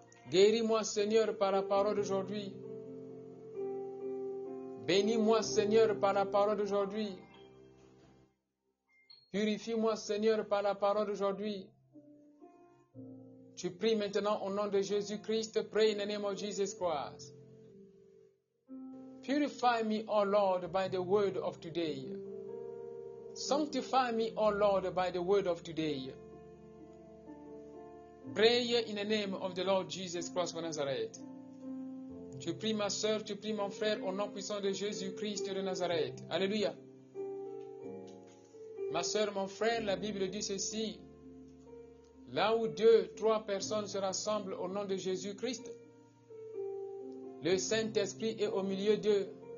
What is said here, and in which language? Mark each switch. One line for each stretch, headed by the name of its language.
French: Guéris-moi, Seigneur, par la parole d'aujourd'hui. Bénis-moi, Seigneur, par la parole d'aujourd'hui. Purifie-moi, Seigneur, par la parole d'aujourd'hui. Tu pries maintenant au nom de Jésus-Christ.
English: Pray in the name of Jesus Christ. Purify me, O Lord, by the word of today. Sanctify me, O Lord, by the word of today. Pray in the name of the Lord Jesus Christ of Nazareth.
French: Tu pries, ma soeur, tu pries, mon frère, au nom puissant de Jésus-Christ de Nazareth. Alléluia. Ma sœur, mon frère, la Bible dit ceci. Là où deux, trois personnes se rassemblent au nom de Jésus-Christ, le Saint-Esprit est au milieu d'eux.